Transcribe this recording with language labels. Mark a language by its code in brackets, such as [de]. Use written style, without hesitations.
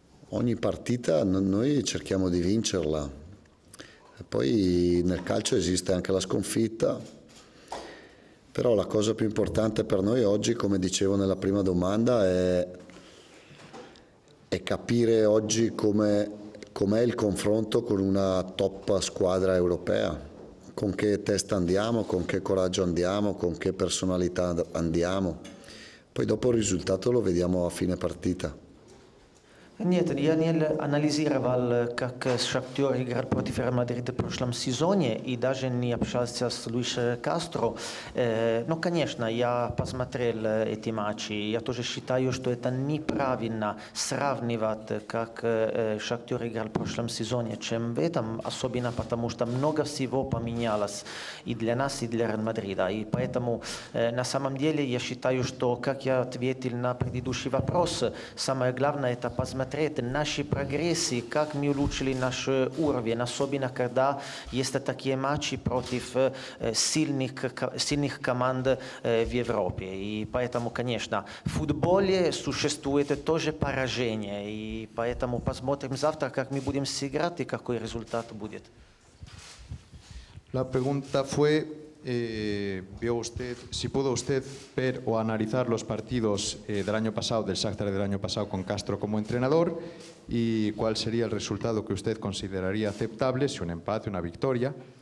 [it] Ogni partita noi cerchiamo di vincerla. E poi nel calcio esiste anche la sconfitta, però la cosa più importante per noi oggi, come dicevo nella prima domanda, è capire oggi com'è il confronto con una top squadra europea. Con che testa andiamo, con che coraggio andiamo, con che personalità andiamo. Poi dopo il risultato lo vediamo a fine partita. Niente, [ru] я не анализировал, как Шахтер играл против Реал Мадрида в прошлом сезоне, и даже не общался с Луишем Кастро. Но, конечно, я посмотрел эти матчи. Я тоже считаю, что это неправильно сравнивать, как Шахтер играл в прошлом сезоне, чем в этом, особенно потому, что много всего поменялось и для нас, и для Реал Мадрида. И поэтому, на самом деле, я считаю, что, как я ответил на предыдущий вопрос, самое главное – это посмотреть наши прогрессы, как мы улучшили наш уровень, особенно когда есть такие матчи против сильных команд в Европе. И поэтому, конечно, в футболе существует тоже поражение. И поэтому посмотрим завтра, как мы будем сыграть и какой результат будет. [es] La pregunta fue, vio usted, si pudo usted ver o analizar los partidos del año pasado, del Shakhtar del año pasado con Castro como entrenador, y cuál sería el resultado que usted consideraría aceptable, si un empate, una victoria.